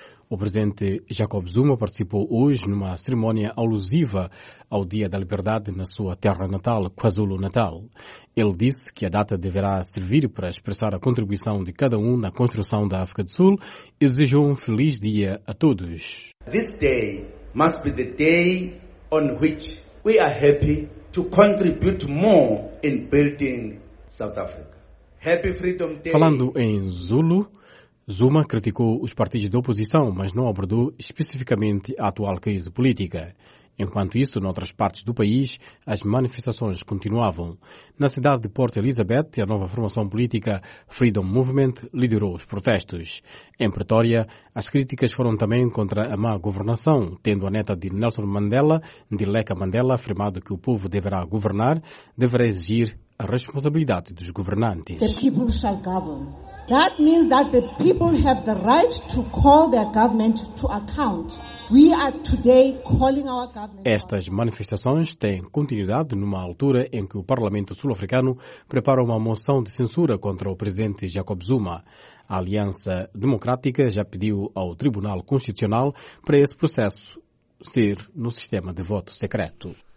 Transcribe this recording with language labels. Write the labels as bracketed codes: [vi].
[pt] O presidente Jacob Zuma participou hoje numa cerimónia alusiva ao Dia da Liberdade na sua terra natal, KwaZulu-Natal. Ele disse que a data deverá servir para expressar a contribuição de cada um na construção da África do Sul e desejou um feliz dia a todos. [en] This day must be the day on which we are happy to contribute more in building South Africa. Happy Freedom Day. [pt] Falando em Zulu, Zuma criticou os partidos de oposição, mas não abordou especificamente a atual crise política. Enquanto isso, noutras partes do país, as manifestações continuavam. Na cidade de Port Elizabeth, a nova formação política Freedom Movement liderou os protestos. Em Pretória, as críticas foram também contra a má governação, tendo a neta de Nelson Mandela, Dileka Mandela, afirmado que o povo deverá governar, deverá exigir a responsabilidade dos governantes. [en] The people shall govern. That means that the people have the right to call their government to account. We are today calling our government. [pt] Estas manifestações têm continuidade numa altura em que o Parlamento Sul-Africano prepara uma moção de censura contra o presidente Jacob Zuma. A Aliança Democrática já pediu ao Tribunal Constitucional para esse processo ser no sistema de voto secreto.